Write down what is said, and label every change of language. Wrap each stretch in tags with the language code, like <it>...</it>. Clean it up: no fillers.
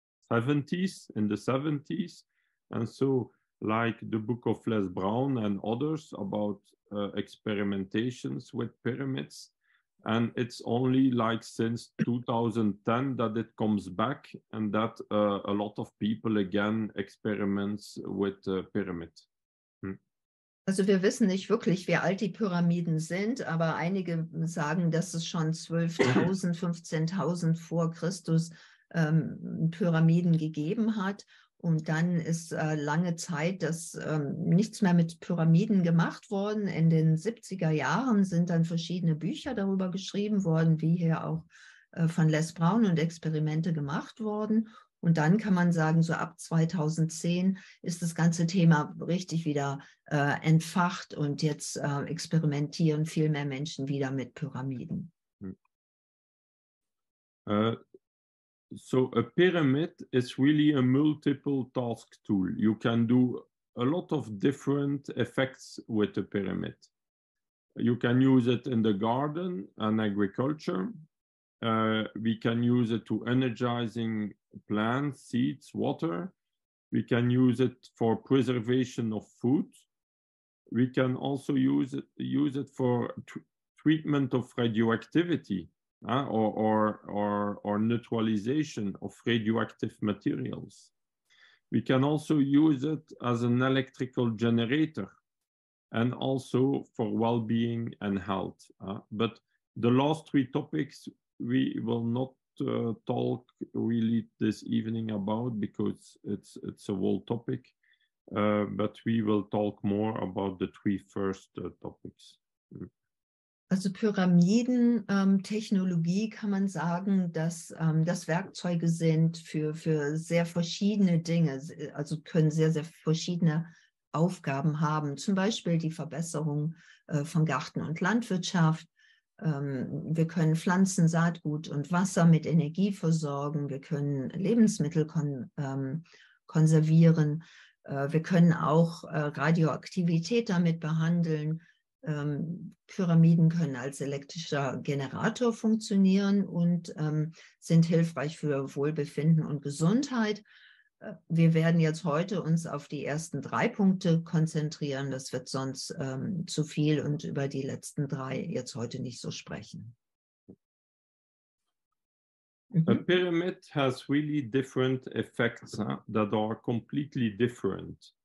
<en>70s, and so like the book of Les Brown and others about experimentations with pyramids, and it's only like since 2010 that it comes back, and that a lot of people again experiments with pyramid.</en> <de>Also wir wissen nicht wirklich, wie alt die Pyramiden sind, aber einige sagen, dass es schon 12.000, 15.000 vor Christus Pyramiden gegeben hat. Und dann ist lange Zeit das nichts mehr mit Pyramiden gemacht worden. In den 70er Jahren sind dann verschiedene Bücher darüber geschrieben worden, wie hier auch von Les Brown und Experimente gemacht worden. Und dann kann man sagen, so ab 2010 ist das ganze Thema richtig wieder entfacht und jetzt experimentieren viel mehr Menschen wieder mit Pyramiden.</de> <en>So a pyramid is really a multiple task tool. You can do a lot of different effects with a pyramid. You can use it in the garden and agriculture. We can use it to energizing plants, seeds, water. We can use it for preservation of food. We can also use it for treatment of radioactivity. Or neutralization of radioactive materials. We can also use it as an electrical generator and also for well-being and health. But the last three topics we will not talk really this evening about because it's a whole topic. But we will talk more about the three first topics.</en> <de>Also Pyramidentechnologie kann man sagen, dass das Werkzeuge sind für sehr verschiedene Dinge, also können sehr, sehr verschiedene Aufgaben haben. Zum Beispiel die Verbesserung von Garten und Landwirtschaft. Wir können Pflanzen, Saatgut und Wasser mit Energie versorgen. Wir können Lebensmittel konservieren. Wir können auch Radioaktivität damit behandeln. Pyramiden können als elektrischer Generator funktionieren und sind hilfreich für Wohlbefinden und Gesundheit. Wir werden jetzt heute uns auf die ersten drei Punkte konzentrieren. Das wird sonst zu viel und über die letzten drei jetzt heute nicht so sprechen.</de> <en>A pyramid has really different effects that are completely different.</en>